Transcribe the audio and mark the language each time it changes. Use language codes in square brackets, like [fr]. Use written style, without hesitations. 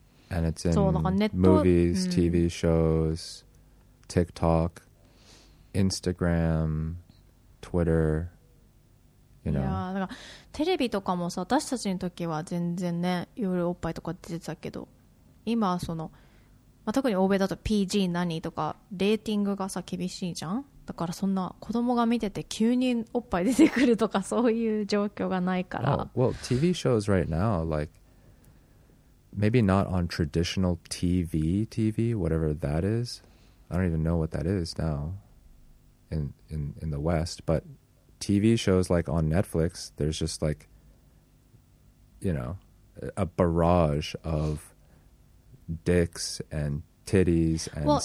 [en] And it's in movies, TV shows, TikTok, Instagram, Twitter... You know. [ja] いやなんかテレビとかもさ、私たちの時は全然ね夜おっぱいとか出てたけど、今はその、まあ、特に欧米だと PG 何とかレーティングがさ厳しいじゃん、だからそんな子供が見てて急におっぱい出てくるとかそういう状況がないから、 [en] oh, Well TV shows right now like maybe not on traditional TV whatever that is, I don't even know what that is now in the West, butTV shows like on Netflix, there's just like, you know, a barrage of dicks and titties and